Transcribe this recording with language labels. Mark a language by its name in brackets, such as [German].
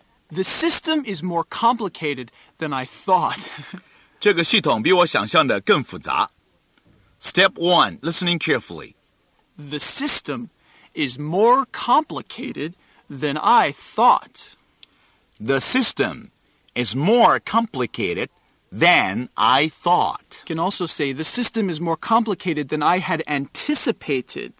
[English] The system is more complicated than I thought. [Chinese] 这个系统比我想象的更复杂。 [English] Step one, listening carefully. The system is more complicated than I thought. The system is more complicated than I thought. You can also say the system is more complicated than I had anticipated.